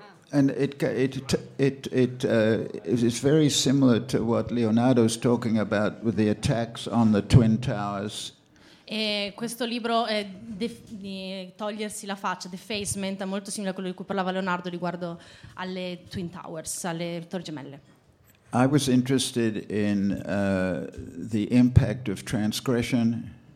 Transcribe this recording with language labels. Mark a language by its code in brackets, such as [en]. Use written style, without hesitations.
[en] And it's very similar to what Leonardo's talking about with the attacks on the Twin Towers. [it] E questo libro è togliersi la faccia, defacement, è molto simile a quello di cui parlava Leonardo riguardo alle Twin Towers, alle Torri Gemelle. [en] I was interested in the impact of transgression.